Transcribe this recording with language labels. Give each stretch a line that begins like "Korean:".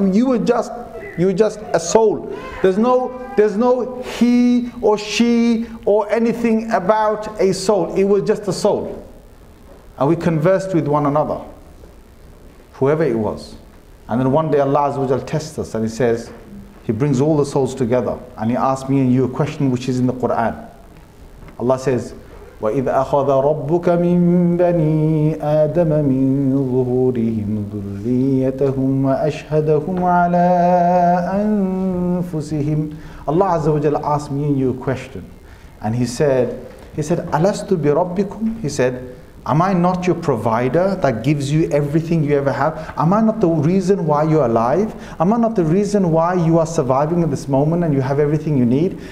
English: You were just a soul. There's no he or she or anything about a soul. It was just a soul. And we conversed with one another, whoever it was. And then one day Allah Azza wa Jal tests us and he says, he brings all the souls together and he asks me and you a question which is in the Quran. Allah says,
Arabic: وَإِذْ أَخَذَ رَبُّكَ مِن بَنِي آدَمَ مِن ظُهُورِهِمْ ذُرِّيَّتَهُمْ وَأَشْهَدَهُمْ عَلَىٰ أَنفُسِهِمْ.
English: Allah Azza wa Jal asked me and you a question. And he said,
Arabic: أَلَسْتُ بِرَبِّكُمْ?
English: He said, am I not your provider that gives you everything you ever have? Am I not the reason why you're alive? Am I not the reason why you are surviving at this moment and you have everything you need?